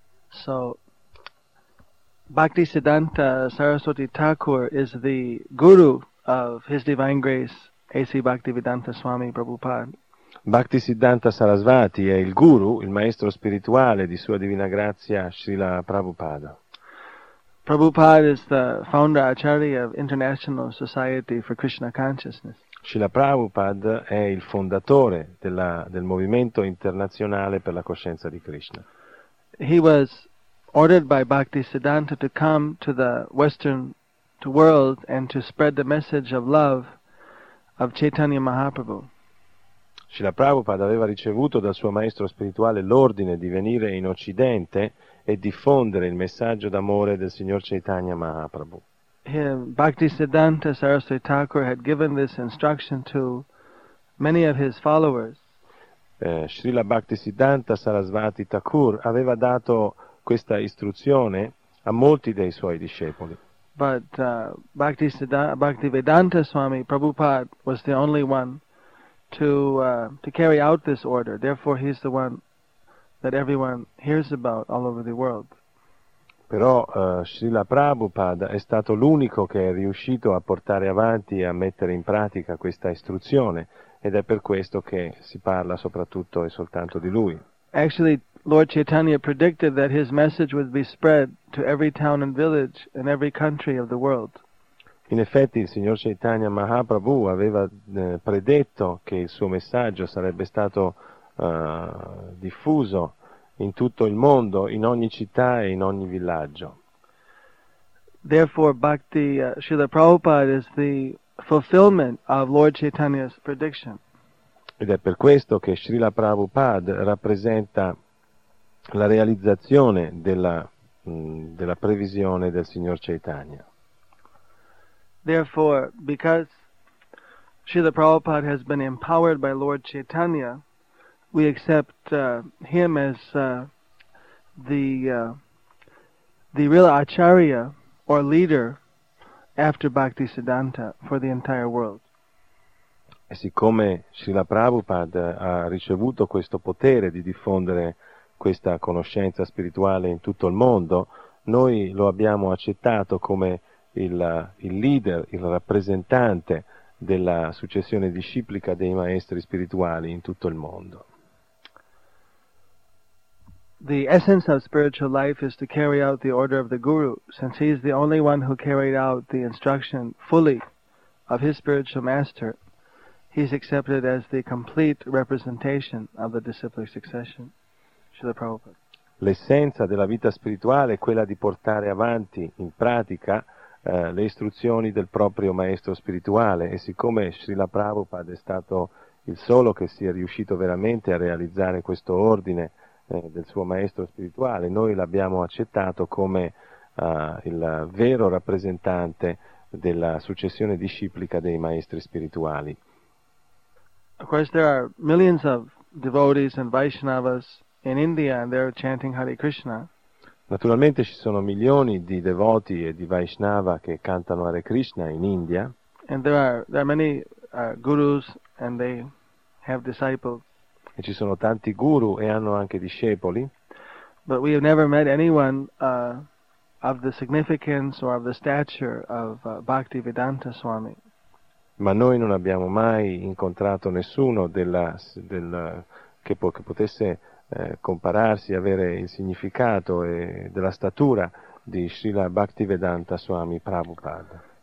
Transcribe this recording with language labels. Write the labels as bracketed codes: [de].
[en] So, Bhaktisiddhanta Saraswati Thakur is the guru of His Divine Grace A.C. Bhaktivedanta Swami Prabhupada. [it] Bhaktisiddhanta Sarasvati è il guru, il maestro spirituale di Sua Divina Grazia Srila Prabhupada. [en] Prabhupada is the founder acharya of International Society for Krishna Consciousness. [it] Srila Prabhupada è il fondatore del movimento internazionale per la coscienza di Krishna. [en] He was ordered by Bhaktisiddhanta to come to the Western world and to spread the message of love of Chaitanya Mahaprabhu. [it] Srila Prabhupada aveva ricevuto dal suo maestro spirituale l'ordine di venire in Occidente e diffondere il messaggio d'amore del signor Chaitanya Mahaprabhu. [en] Bhakti Siddhanta Saraswati Thakur had given this instruction to many of his followers. [it] Srila Bhaktisiddhanta Sarasvati Thakur aveva dato questa istruzione a molti dei suoi discepoli. [en] But Bhaktivedanta Swami Prabhupada was the only one to carry out this order. Therefore he's the one that everyone hears about all over the world. [it] Però Srila Prabhupada è stato l'unico che è riuscito a portare avanti e a mettere in pratica questa istruzione, ed è per questo che si parla soprattutto e soltanto di lui. [en] Actually, Lord Chaitanya predicted that his message would be spread to every town and village in every country of the world. [it] In effetti, il signor Chaitanya Mahaprabhu aveva predetto che il suo messaggio sarebbe stato diffuso in tutto il mondo, in ogni città e in ogni villaggio. [en] Therefore, Bhakti Srila Prabhupada is the fulfillment of Lord Chaitanya's prediction. [it] Ed è per questo che Srila Prabhupada rappresenta la realizzazione della previsione del signor Chaitanya. [en] Therefore, because Srila Prabhupada has been empowered by Lord Chaitanya, we accept him as the real acharya or leader after Bhakti Siddhanta for the entire world. [it] E siccome Srila Prabhupada ha ricevuto questo potere di diffondere questa conoscenza spirituale in tutto il mondo, noi lo abbiamo accettato come il leader, il rappresentante della successione disciplica dei maestri spirituali in tutto il mondo. [en] The essence of spiritual life is to carry out the order of the Guru, since he is the only one who carried out the instruction fully of his spiritual master. He is accepted as the complete representation of the disciplic succession. Srila Prabhupada. [it] L'essenza della vita spirituale è quella di portare avanti in pratica le istruzioni del proprio maestro spirituale, e siccome Srila Prabhupada è stato il solo che si è riuscito veramente a realizzare questo ordine del suo maestro spirituale, noi l'abbiamo accettato come il vero rappresentante della successione disciplica dei maestri spirituali. [en] Of course there are millions of devotees and Vaishnavas in India and they're chanting Hare Krishna. [it] Naturalmente ci sono milioni di devoti e di Vaishnava che cantano Hare Krishna in India. [en] And there are many gurus and they have disciples. [it] E ci sono tanti guru e hanno anche discepoli. [en] But we have never met anyone of the significance or of the stature of Bhaktivedanta Swami. [it] Ma noi non abbiamo mai incontrato nessuno che potesse compararsi, avere il significato e della statura di Srila Bhaktivedanta Swami Prabhupada.